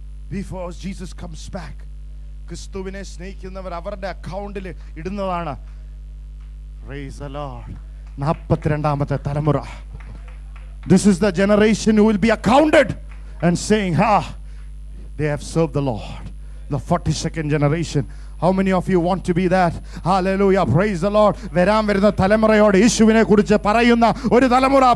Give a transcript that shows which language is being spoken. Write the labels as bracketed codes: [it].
[en] Before Jesus comes back, [ml] ക്രിസ്തുവിനെ സ്നേഹിക്കുന്നവർ അവരുടെ അക്കൗണ്ടിൽ ഇടുന്നതാണ്. [en] Praise the Lord. 42nd തലമുറ. This is the generation who will be accounted and saying, ha, they have served the Lord. The 42nd generation. How many of you want to be that? Hallelujah. Praise the Lord. [ml] വരാൻ വരുന്ന തലമുറയോട് യേശുവിനെ കുറിച്ച് പറയുന്ന ഒരു തലമുറ.